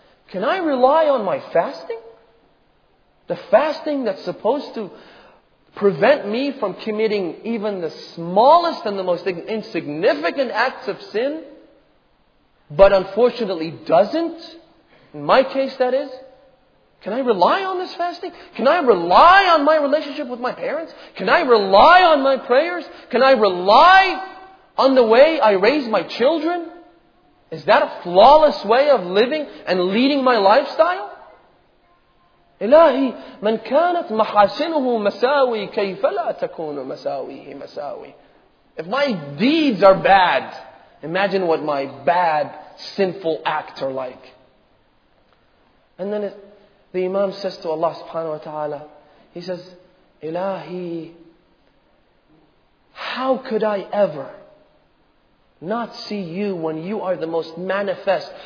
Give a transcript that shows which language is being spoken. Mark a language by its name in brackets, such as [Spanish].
[English] Can I rely on my fasting? The fasting that's supposed to prevent me from committing even the smallest and the most insignificant acts of sin, but unfortunately doesn't, in my case that is, can I rely on this fasting? Can I rely on my relationship with my parents? Can I rely on my prayers? Can I rely on the way I raise my children? Is that a flawless way of living and leading my lifestyle? [Arabic] إلهي من كانت محاسنه مساوي كيف لا تكون مساويه مساوي. [English] If my deeds are bad, imagine what my bad, sinful acts are like. And then the Imam says to Allah subhanahu wa ta'ala, he says, إلهي, how could I ever not see you when you are the most manifest?